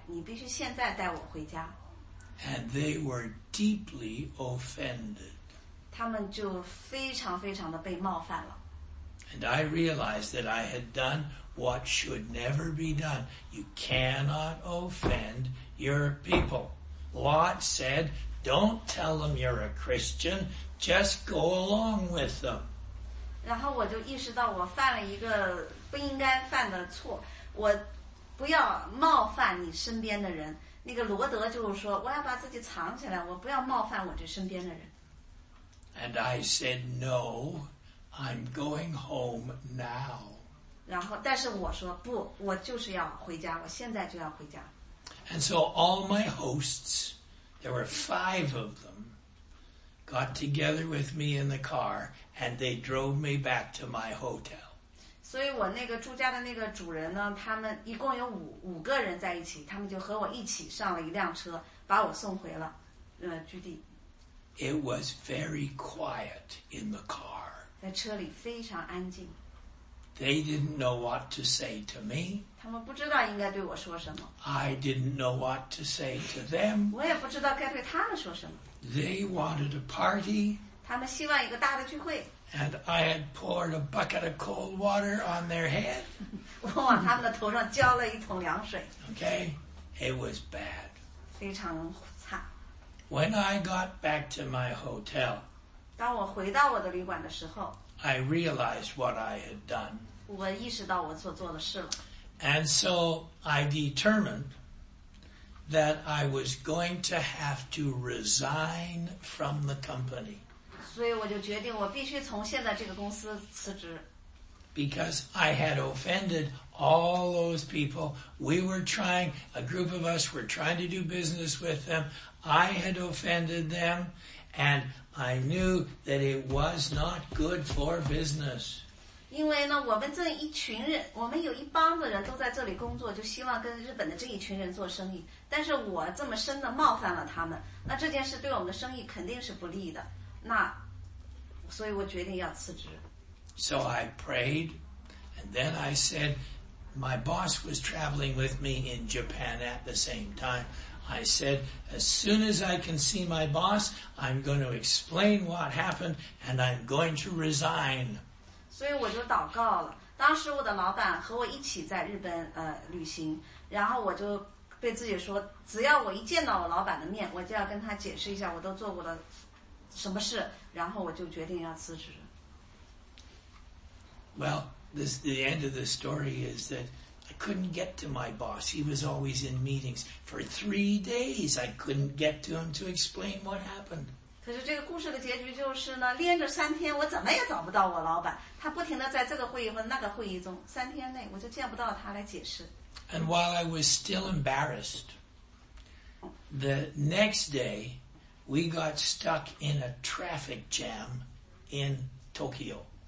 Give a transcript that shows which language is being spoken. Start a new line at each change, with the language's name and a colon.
Chinese: 然后我就对我住家的那个主人说，我是一个基督徒，我不能在这样的聚会里待，你必须现在带我回家。And
English: they were deeply offended.
Chinese: 他们就非常非常的被冒犯了。And
English: I realized that I had done what should never be done. You cannot offend your people. Lot said, don't tell them you're a Christian, just go along with them.
Chinese: 然后我就意识到我犯了一个不应该犯的错，我不要冒犯你身边的人，那个罗德就是说，我要把自己藏起来，我不要冒犯我这身边的人。
English: And I said, no, I'm going home now.
Chinese: 然后，但是我说不，我就是要回家，我现在就要回家。
English: And so all my hosts, there were five of them, got together with me in the car, and they drove me back to my hotel.
Chinese: 所以我那个住家的那个主人呢，他们一共有五个人在一起，他们就和我一起上了一辆车，把我送回了，居地。
English: It was very quiet in the car.
Chinese: 在车里非常安静。
English: They didn't know what to say to me.
Chinese: 他们不知道应该对我说什么。
English: I didn't know what to say to them.
Chinese: 我也不知道该对他们说什么。
English: They wanted a party.
Chinese: 他们希望一个大的聚会。
English: And I had poured a bucket of cold water on their head.
Chinese: 我往他们的头上浇了一桶凉水。
English: Okay, it was bad.
Chinese: 非常惨。
English: When I got back to my hotel,
Chinese: 当我回到我的旅馆的时候
English: I realized what I had done.
Chinese: 我意识到我所做的事了。
English: And so I determined that I was going to have to resign from the company.
Chinese: 所以我就决定我必须从现在这个公司辞职。
English: Because I had offended all those people. We were trying, a group of us were trying to do business with them. I had offended them, and I knew that it was not good for business.
Chinese: 因为呢，我们这一群人，我们有一帮子人都在这里工作，就希望跟日本的这一群人做生意。但是我这么深的冒犯了他们，那这件事对我们的生意肯定是不利的。那，所以我决定要辞职。
English: So I prayed, and then I said, my boss was traveling with me in Japan at the same time. I said, as soon as I can see my boss, I'm going to explain what happened, and I'm going to resign.
Chinese: 所以我就祷告了。当时我的老板和我一起在日本旅行，然后我就对自己说，只要我一见到我老板的面，我就要跟他解释一下我都做过了什么事，然后我就决定要辞职。
English: Well, the end of the story is that I couldn't get to my boss. He was always in meetings. For 3 days, I couldn't get to him to explain what happened.
Chinese: 可是这个故事的结局就是呢，连着三天我怎么也找不到我老板。他不停地在这个会议和那个会议中，三天内我就见不到他来解释。
English: And while I was still embarrassed, the next day, we got stuck in a traffic jam in Tokyo.